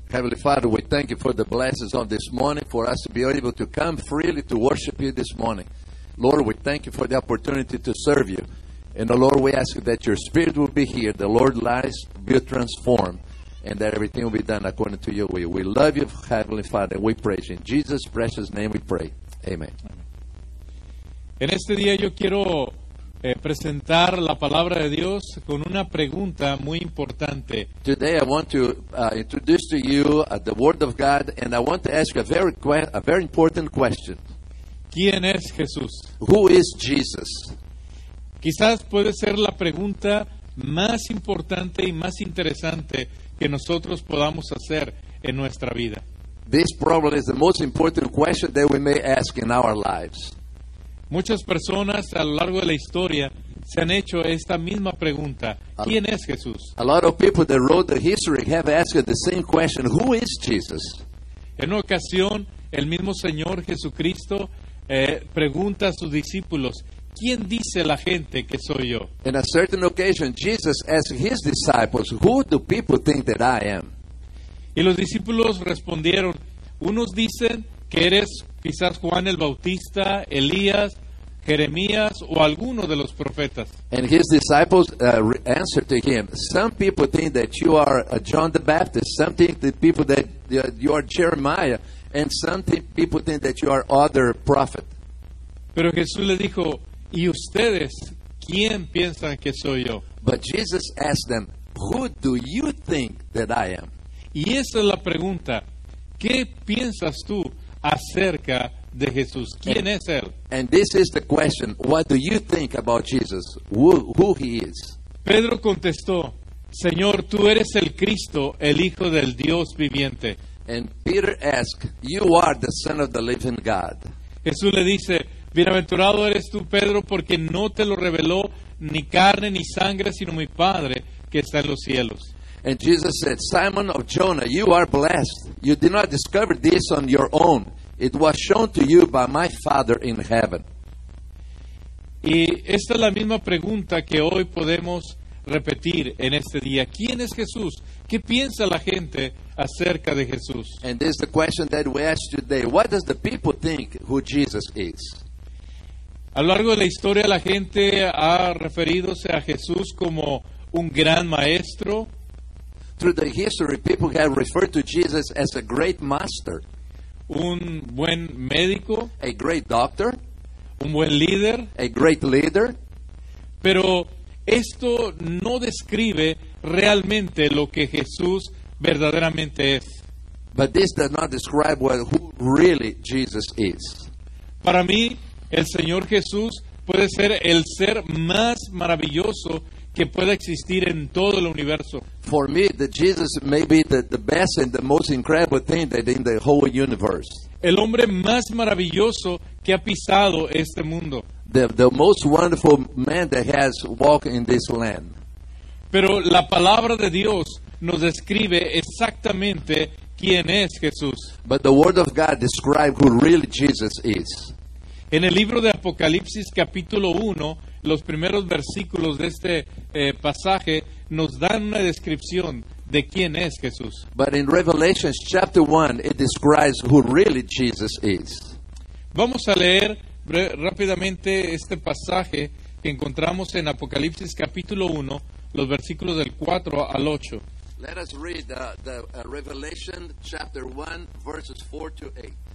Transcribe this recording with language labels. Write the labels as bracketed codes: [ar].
[en] Heavenly Father, we thank you for the blessings of this morning, for us to be able to come freely to worship you this morning. Lord, we thank you for the opportunity to serve you. And the Lord, we ask that your spirit will be here, the Lord lives be transformed, and that everything will be done according to your will. We love you, Heavenly Father, and we praise you. In Jesus' precious name we pray. Amen. [es] En este día yo quiero presentar la palabra de Dios con una pregunta muy importante. [en] Today I want to introduce to you the Word of God, and I want to ask a very important question. [es] ¿Quién es Jesús? [en] Who is Jesus? [es] Quizás puede ser la pregunta más importante y más interesante que nosotros podamos hacer en nuestra vida. [en] This probably is the most important question that we may ask in our lives. [es] Muchas personas a lo largo de la historia se han hecho esta misma pregunta. ¿Quién es Jesús? [en] A lot of people that wrote the history have asked the same question. Who is Jesus? [es] En una ocasión, el mismo Señor Jesucristo pregunta a sus discípulos, ¿quién dice la gente que soy yo? [en] In a certain occasion, Jesus asked his disciples, who do people think that I am? [es] Y los discípulos respondieron, unos dicen que eres quizás Juan el Bautista, Elías, Jeremías, o alguno de los profetas. [en] And his disciples answered to him, some people think that you are John the Baptist, some think that people that you are Jeremiah, and some people think that you are other prophet. [es] Pero Jesús le dijo, ¿y ustedes quién piensan que soy yo? [en] But Jesus asked them, who do you think that I am? [es] Y esa es la pregunta. ¿Qué piensas tú acerca de Jesús? ¿Quién es él? [en] And this is the question. What do you think about Jesus? Who he is? [es] Pedro contestó, Señor, tú eres el Cristo, el Hijo del Dios viviente. [en] And Peter asked, you are the Son of the living God. [es] Jesús le dice, bienaventurado eres tú, Pedro, porque no te lo reveló ni carne ni sangre, sino mi Padre que está en los cielos. [en] And Jesus said, Simon of Jonah, you are blessed. You did not discover this on your own. It was shown to you by my Father in heaven. [es] Y esta es la misma pregunta que hoy podemos repetir en este día. ¿Quién es Jesús? ¿Qué piensa la gente acerca de Jesús? [en] And this is the question that we ask today. What does the people think who Jesus is? [es] A lo largo de la historia, la gente ha referidose a Jesús como un gran maestro. [en] Through the history, people have referred to Jesus as a great master. [es] Un buen médico. [en] A great doctor. [es] Un buen líder. [en] A great leader. [es] Pero esto no describe realmente lo que Jesús verdaderamente es. [en] But this does not describe who really Jesus is. [es] Para mí, el Señor Jesús puede ser el ser más maravilloso que pueda existir en todo el universo. [en] For me, the Jesus may be the best and the most incredible thing that in the whole universe. [es] El hombre más maravilloso que ha pisado este mundo. [en] The most wonderful man that has walked in this land. [es] Pero la palabra de Dios nos describe exactamente quién es Jesús. [en] But the Word of God describes who really Jesus is. [es] En el libro de Apocalipsis capítulo 1, los primeros versículos de este pasaje nos dan una descripción de quién es Jesús. [en] But in Revelation chapter 1, it describes who really Jesus is. [es] Vamos a leer rápidamente este pasaje que encontramos en Apocalipsis capítulo 1, los versículos del 4 al 8. [en] Let us read the Revelation chapter 1, verses 4 to 8.